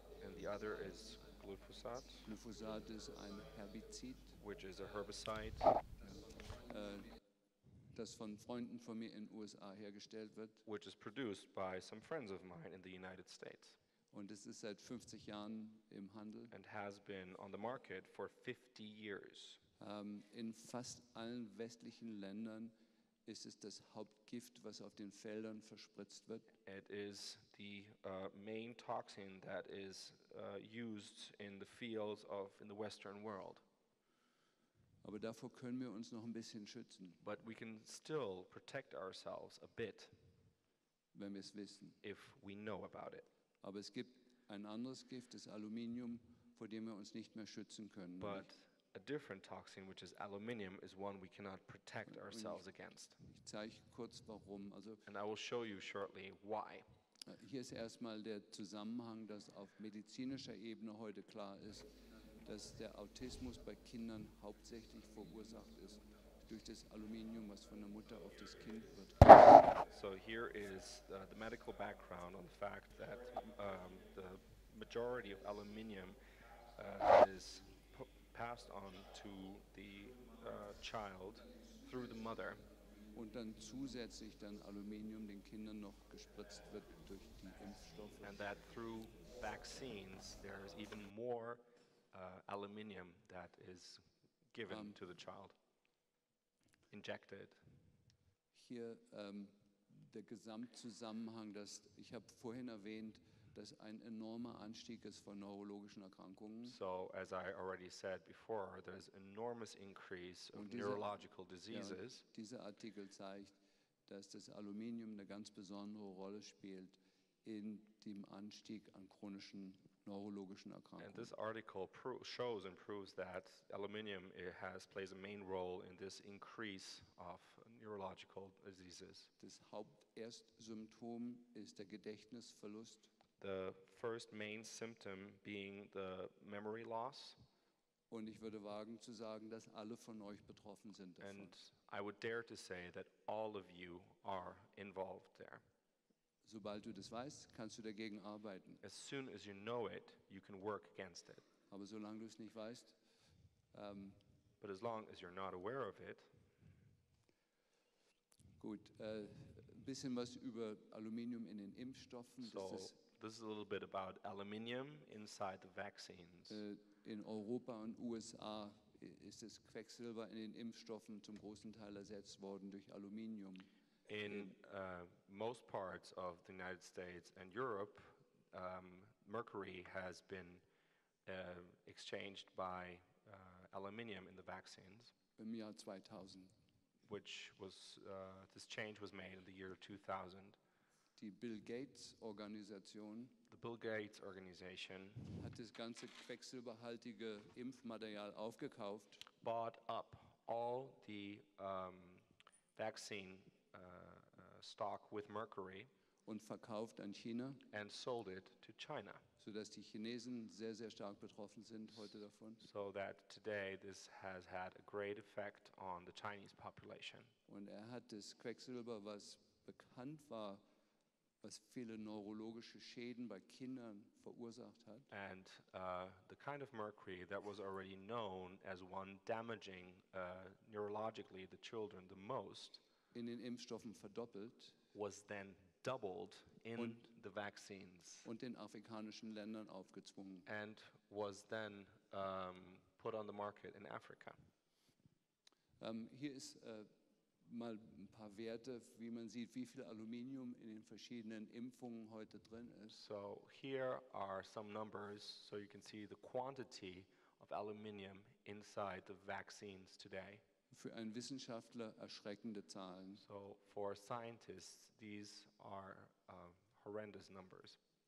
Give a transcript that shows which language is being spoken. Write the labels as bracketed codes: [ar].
[en] and the other is Glyphosat. [de] Glyphosat ist ein Herbizid, [en] which is a herbicide, [de] das von Freunden von mir in USA hergestellt wird, [en] which is produced by some friends of mine in the United States, [de] und es ist seit 50 Jahren im Handel, [en] and has been on the market for 50 years. [de] In fast allen westlichen Ländern ist es das Hauptgift, was auf den Feldern verspritzt wird. [en] It is the main toxin that is used in the fields of in the Western world. [de] Aber davor können wir uns noch ein bisschen schützen. [en] But we can still protect ourselves a bit, [de] wenn wir es wissen. [en] If we know about it. [de] Aber es gibt ein anderes Gift, das Aluminium, vor dem wir uns nicht mehr schützen können. [en] But a different toxin, which is aluminium, is one we cannot protect ourselves against. [de] Ich zeige kurz warum. Also [en] and I will show you shortly why. [de] Hier ist erstmal der Zusammenhang, dass auf medizinischer Ebene heute klar ist, dass der Autismus bei Kindern hauptsächlich verursacht ist durch das Aluminium, was von der Mutter auf das Kind wird. [en] So here is the medical background on the fact that the majority of aluminium is passed on to the child through the mother. [de] Und dann zusätzlich dann Aluminium den Kindern noch gespritzt wird durch die Impfstoffe. [en] And that through vaccines there is even more aluminium that is given to the child, injected. [de] Hier der Gesamtzusammenhang, dass ich habe vorhin erwähnt, dass ein enormer Anstieg ist von neurologischen Erkrankungen. [en] So, as I already said before, there's enormous increase of neurological diseases. [de] Ja, dieser Artikel zeigt, dass das Aluminium eine ganz besondere Rolle spielt in dem Anstieg an chronischen neurologischen Erkrankungen. [en] And this article shows and proves that aluminium plays a main role in this increase of neurological diseases. [de] Das Haupterstsymptom ist der Gedächtnisverlust. [en] The first main symptom being the memory loss. [de] Und ich würde wagen zu sagen, dass alle von euch betroffen sind davon. [en] And I would dare to say that all of you are involved there. [de] Sobald du das weißt, kannst du dagegen arbeiten. [en] As soon as you know it, you can work against it. [de] Aber solange du es nicht weißt, [en] but as long as you're not aware of it. [de] Gut, bisschen was über Aluminium in den Impfstoffen. [en] So this is a little bit about aluminium inside the vaccines. [de] In Europa und USA ist das Quecksilber in den Impfstoffen zum großen Teil ersetzt worden durch Aluminium. [en] In most parts of the United States and Europe, mercury has been exchanged by aluminium in the vaccines. [de] Im Jahr 2000. [en] Which was, this change was made in the year 2000. [de] Die Bill Gates Organisation, [en] the Bill Gates Organization, [de] hat das ganze quecksilberhaltige Impfmaterial aufgekauft, [en] bought up all the vaccine stock with mercury [de] und verkauft an China, [en] and sold it to China, [de] so dass die Chinesen sehr sehr stark betroffen sind heute davon. [en] So that today this has had a great effect on the Chinese population. [de] Und er hat das Quecksilber, was bekannt war, was viele neurologische Schäden bei Kindern verursacht hat. [en] And the kind of mercury that was already known as one damaging neurologically the children the most [de] in den Impfstoffen verdoppelt, [en] was then doubled in the vaccines [de] und den afrikanischen Ländern aufgezwungen, [en] and was then put on the market in Africa. [de] Hier ist mal ein paar Werte, wie man sieht, wie viel Aluminium in den verschiedenen Impfungen heute drin ist. [en] So here are some numbers, so you can see the quantity of aluminium inside the vaccines today. [de] Für einen Wissenschaftler erschreckende Zahlen. [en] So for scientists, these are horrendous numbers.